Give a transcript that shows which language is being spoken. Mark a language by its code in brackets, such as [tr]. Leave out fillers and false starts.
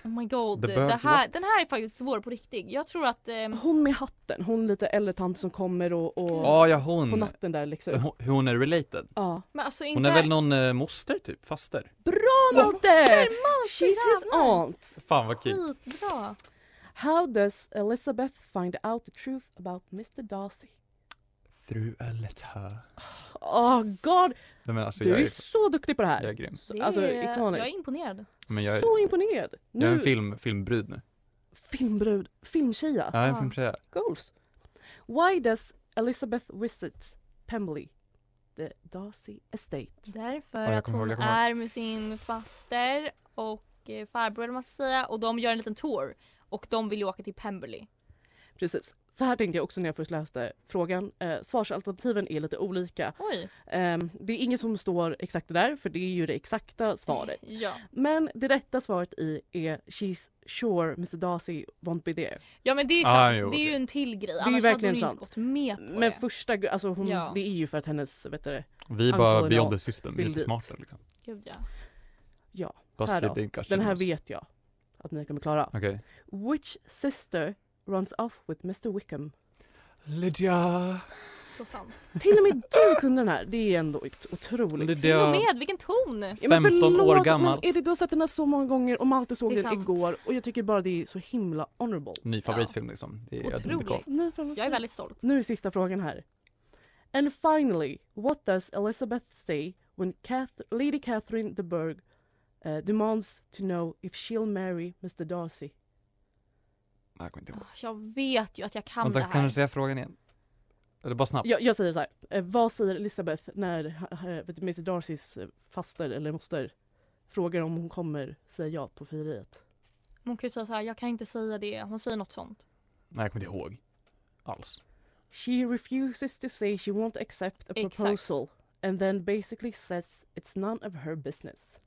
[en] Oh my god, [sv] den här är faktiskt svår på riktigt. Jag tror att... Hon med hatten, hon lite äldre tant som kommer och hon. På natten där liksom. Hon är related. Ja. Men alltså, hon är väl någon moster typ, faster. Bra, Malte! [en] She's his aunt. [sv] Fan vad kul. Skitbra. [en] How does Elizabeth find out the truth about Mr. Darcy? Through a letter. Åh, oh, god. [sv] Nej, men alltså, du är så duktig på det här. Jag är grym. Jag är imponerad. Men jag är så imponerad. Nu är en filmbrud nu. Filmbrud? Filmtjeja? Ja, en filmtjeja. [en] Goals. Why does Elizabeth visit Pemberley, the Darcy estate? [sv] Därför att hon är med sin faster och farbror, måste säga. Och de gör en liten tour. Och de vill ju åka till Pemberley. Precis. Så här tänkte jag också när jag först läste frågan. Svarsalternativen är lite olika. Oj. Det är ingen som står exakt där, för det är ju det exakta svaret. Ja. Men det rätta svaret är [en] she's sure Mr. Darcy won't be there. [sv] Ja, men det är sant. Ah, jo, det är ju en till grej. Det annars är verkligen hade hon inte gått med på men det. Första, alltså hon, ja. Det är ju för att hennes, vet du, vi bara [en] beyond the system, [sv] vi är lite smarta. Liksom. Gud, ja. Ja, Buzz här då. Den här vet jag att ni kommer klara. Okay. [en] Which sister runs off with Mr. Wickham? [sv] Lydia. Så sant. Till och med du kunde den här. Det är ändå otroligt. Lydia. Till och med, vilken ton. 15 år gammal. Men är det du har sett den här så många gånger och Malte såg den igår. Och jag tycker bara det är så himla honorable. Ny favoritfilm liksom. Det är otroligt. Jag är väldigt stolt. Nu är sista frågan här. [en] And finally, what does Elizabeth say when Lady Catherine de Bourgh demands to know if she'll marry Mr. Darcy? [sv] Jag vet ju att jag kan men det här. Kan du säga frågan igen? Eller bara snabbt? Jag säger så här. Vad säger Elizabeth när Mr. Darcys faster eller moster frågar om hon kommer säga ja på fyriet? Hon kan ju säga så här. Jag kan inte säga det. Hon säger något sånt. Nej, jag kommer inte ihåg. Alls. [en] She refuses to say she won't accept a proposal. Exakt. And then basically says it's none of her business.